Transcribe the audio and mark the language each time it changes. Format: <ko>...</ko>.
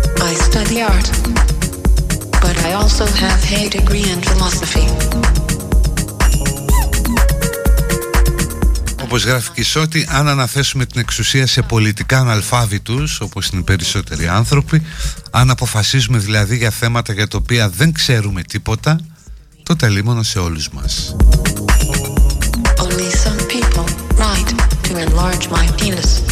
<en>I study art, but I also have a degree in philosophy.</en> <el>Όπως γράφει και η Σώτη, αν αναθέσουμε την εξουσία σε πολιτικά αναλφάβητους, όπως είναι οι περισσότεροι άνθρωποι, αν αποφασίζουμε δηλαδή για θέματα για τα οποία δεν ξέρουμε τίποτα, τότε λίμωνο σε όλους μας.</el> <en>Only some people write to enlarge my penis.</en>